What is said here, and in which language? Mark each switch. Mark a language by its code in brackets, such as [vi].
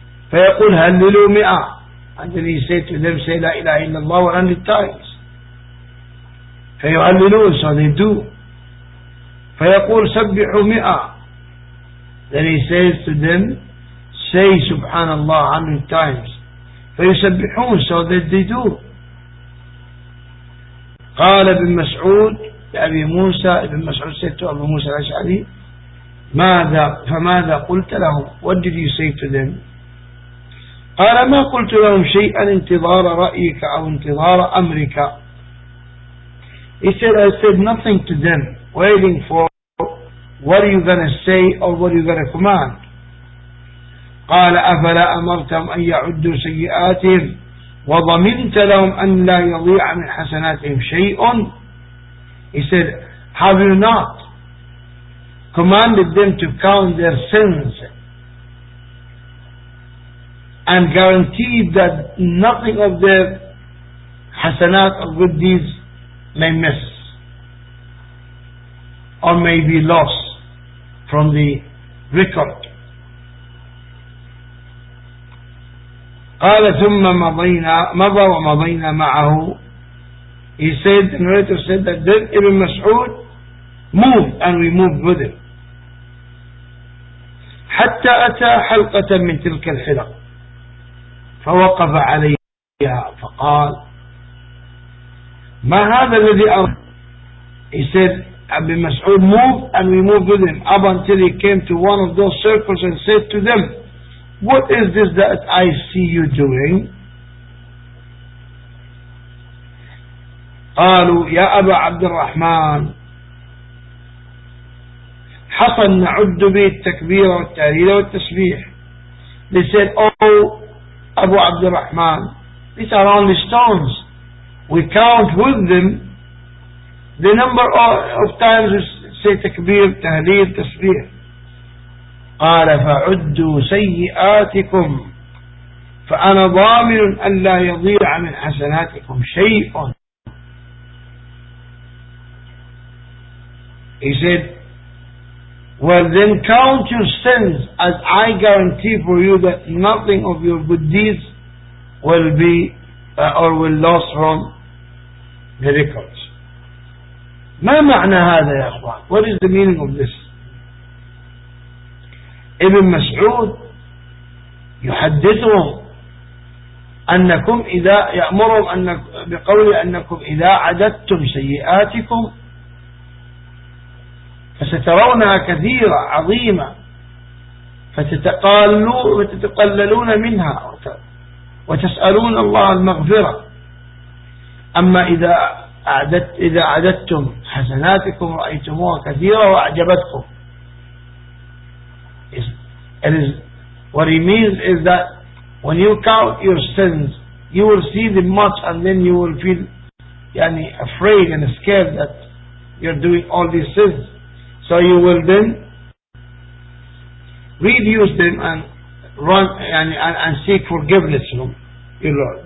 [ar] فيقول هللوا مئة, [en] and then he said to them say [ar] لا إله إلا الله [en] 100 times. [ar] فيهللون, [en] so they do. [ar] فيقول سبحوا مئة, [en] then he says to them say [ar] سبحان الله [en] 100 times. [ar] فيسبحون, [en] so that they do. [ar] قال ابن مسعود لأبي موسى, ابن مسعود [en] said to [ar] أبو موسى الأشعري ماذا, فماذا قلت لهم, [en] what did you say to them? [ar] قال ما قلت لهم شيئا انتظار رأيك أو انتظار أمرك. [en] He said I said nothing to them waiting for what are you gonna say or what are you gonna command. [ar] قال أفلا أمرتهم أن يعدوا سيئاتهم وضمنت لهم أن لا يضيع من حسناتهم شيء. [en] He said have you not commanded them to count their sins and guaranteed that nothing of their حسنات or good deeds may miss or may be lost from the record. [ar] قال ثم مضينا, مضى ومضينا معه. [en] He said, the narrator said that then Ibn Mas'ud moved and we moved with him [ar] حتى أتى حلقة من تلك الحلق فوقف عليها فقال ما هذا الذي أرى. [en] He said Ibn Mas'ud moved and we moved with him up until he came to one of those circles and said to them, what is this that I see you doing? [ar] قالوا يا أبا عبد الرحمن حصل نعد به التكبير والتهليل والتسبيح. [en] They said, oh Abu عبد الرحمن, these are only stones. We count with them the number of times we say تكبير, تهليل, تسبيح. [ar] قال فعدوا سيئاتكم فأنا ضامن أن لا يضيع من حسناتكم شيء. [en] He said well then count your sins as I guarantee for you that nothing of your good deeds will be or will lost from the records. [ar] ما معنى هذا يا أخوان؟ [en] What is the meaning of this؟ [ar] ابن مسعود يحدثهم أنكم إذا يأمرهم أن بقول أنكم إذا عددتم سيئاتكم فسترونها كثيرة عظيمة فتتقللون منها وتسألون الله المغفرة. أما إذا عددتم حسناتكم رأيتموها كثيرة وأعجبتكم. [en] It is what he means is that when you count your sins, you will see them much, and then you will feel يعني afraid and scared that you're doing all these sins. So you will then reduce them and run and seek forgiveness from your Lord.